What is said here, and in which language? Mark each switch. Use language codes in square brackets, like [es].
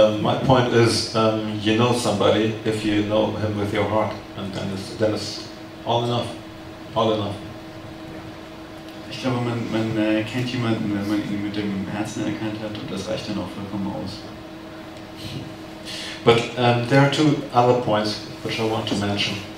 [en] My point is, you know somebody if you know him with your heart, and then it's all enough. All enough. [de] Ich glaube, man kennt jemanden, wenn man ihn mit dem Herzen erkannt hat, und das reicht dann auch vollkommen aus. [en] But there are 2 other points which I want to mention.